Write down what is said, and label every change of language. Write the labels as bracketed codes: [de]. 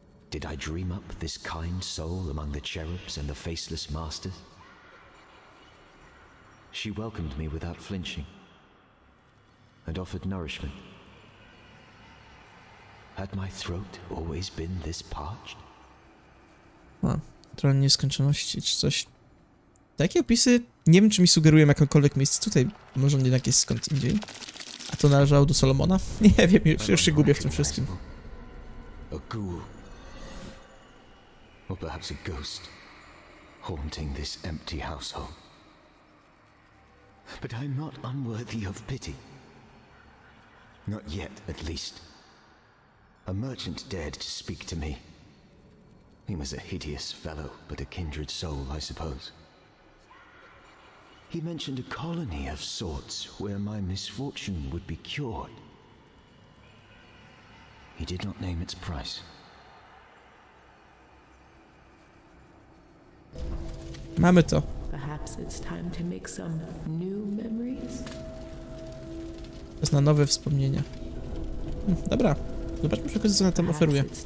[en] Did I dream up this kind soul among the cherubs and the faceless masters? She welcomed me without flinching and offered nourishment. Had my throat always been this parched? [pl] Tron nieskończoności czy coś. Takie opisy nie wiem, czy mi sugerują jakiekolwiek miejsce tutaj. Może on jednak jest skąd indziej. A to należało do Salomona? Nie wiem, już się gubię w tym wszystkim. [en] Or perhaps a ghost haunting this empty household. But I'm not unworthy of pity. Not yet, at least. A merchant dared to speak to me. He was a hideous fellow, but a kindred soul, I suppose. He mentioned a colony of sorts where my misfortune would be cured. He did not name its price. [pl] Mamy to. [en] Perhaps it's time to make some new memories. [pl] Czas na nowe wspomnienia. Dobra. Zobaczmy wszystko, co ona tam oferuje.